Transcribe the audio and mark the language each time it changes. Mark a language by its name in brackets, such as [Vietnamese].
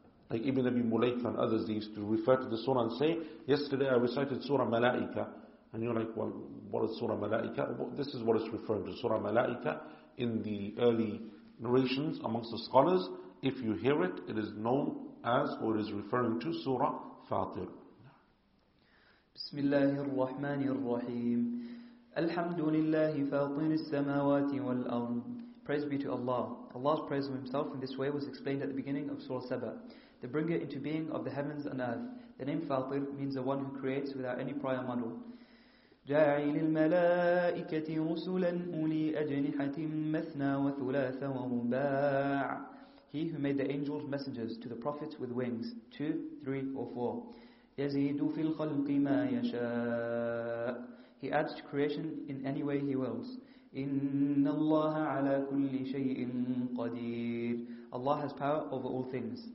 [English] Like Ibn Abi Mulaika and others, they used to refer to the Surah and say, yesterday I recited Surah Malaika. And you're like, well, what is Surah Malaika? This is what it's referring to, Surah Malaika. In the early narrations amongst the scholars, if you hear it, it is known as or it is referring to Surah Fatir. [Arabic] بسم الله الرحمن الرحيم الحمد لله فاطر السماوات والأرض. [English] Praise be to Allah. Allah's praise of Himself in this way was explained at the beginning of Surah Saba. The bringer into being of the heavens and earth. The name Fatir means the one who creates without any prior model. [Arabic] جاعل الملائكة رسلا أولي أجنحة مثنى وثلاث ورباع. [English] He who made the angels messengers to the prophets with wings, 2, 3, or 4. [Arabic] يزيد في الخلق ما يشاء. [English] He adds to creation in any way he wills. [Arabic] إن الله على كل شيء قدير. [English] Allah has power over all things.